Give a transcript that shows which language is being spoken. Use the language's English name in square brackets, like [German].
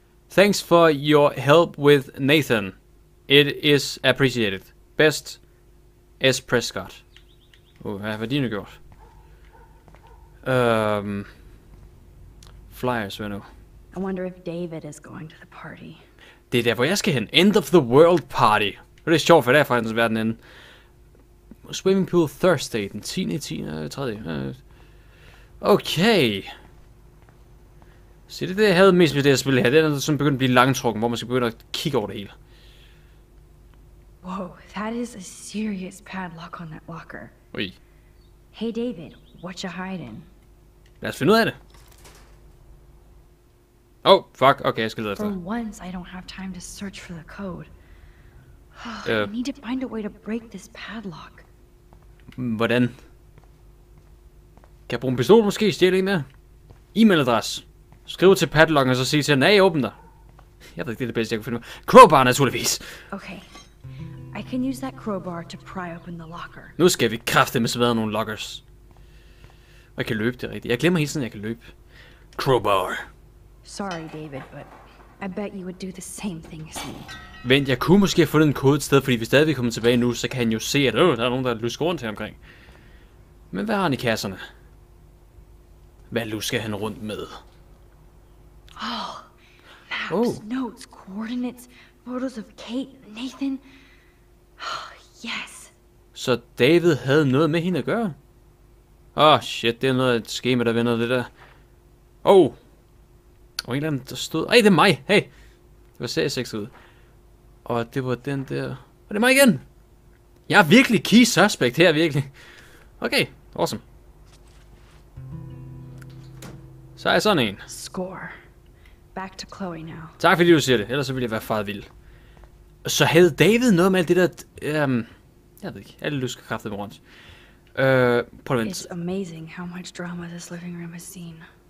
[English] Thanks for your help with Nathan. It is appreciated. Best, S. Prescott. [Danish] Hvad har de nu gjort? Flyers, hvad nu? [English] I wonder if David is going to the party. [Danish] Det er der, hvor jeg skal hen. [English] End of the world party. [Danish] Det er sjovt, for det er faktisk verden inden. [English] Swimming pool Thursday, den 10.10.3. Okay. [Danish] Så det er det, jeg havde mest med det, jeg spillede her. Det er sådan begyndt at blive langtrukken, hvor man skal begynde at kigge over det hele. [English] Wow, that is a serious padlock on that locker. Oi. Hey David, what you hiding? [Danish] Lad os finde ud af det. [English] Oh, fuck. [Danish] Okay, jeg skal lede efter. [English] For once, I don't have time to search for the code. I need to find a way to break this padlock. [Danish] Hvordan? Kan jeg bruge en pistol måske? Stjæle en der? E-mailadresse. Skriv til padlocken og så sige til den, at jeg åbner. Jeg ved ikke, det er det bedste, jeg kan finde ud af. Crowbar, naturligvis. Okay. [English] I can use that crowbar to pry open the locker. [Danish] Nu skal vi kraftedeme smadre nogle lockers. Og jeg kan løbe, det rigtigt. Jeg glemmer hele tiden, at jeg kan løbe. Crowbar. [English] Sorry, David, but I bet you would do the same thing as me. [Danish] Vent, jeg kunne måske have fundet en kode et sted, fordi vi stadig er kommet tilbage nu, så kan han jo se, at der er nogen, der er lusket rundt her omkring. Men hvad har han i kasserne? Hvad lusker han rundt med? [English] Oh, maps, notes, coordinates, photos of Kate, Nathan. Oh, yes. [Danish] Så David havde noget med hende at gøre? [English] Oh, shit, [Danish] det er noget af et skema, der vender det der. Oh. Og en eller anden, der stod... Ej, det er mig! Hey! Det var serie 6 ud. Og det var den der... Og det er mig igen! Jeg er virkelig key suspect her, virkelig. [English] Okay, awesome. [Danish] Så er jeg sådan en. [English] Score. Back to Chloe now. [Danish] Tak fordi du siger det, ellers så ville jeg være faret vild. Så havde David noget med alt det der... jeg ved ikke, alle lusker kraftigt med rundt. Prøv at vente. [English] It's amazing how much drama this living room has seen.